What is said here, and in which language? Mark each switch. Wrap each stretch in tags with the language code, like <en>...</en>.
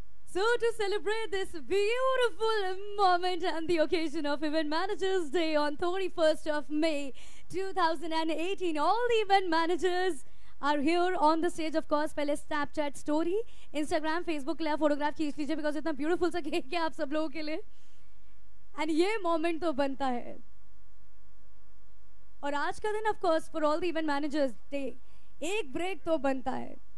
<en>So to celebrate this beautiful moment and the occasion of Event Managers Day on 31st of May 2018, all the event managers</en> <hi>are here on the stage. Of course, पहले Snapchat story, Instagram, Facebook ले photograph खींच लीजिए, because इतना beautiful सा cake है आप सब लोगों के लिए. And ये moment तो बनता है. और आज का दिन, of course, for all the event managers day, एक break तो बनता है.</hi>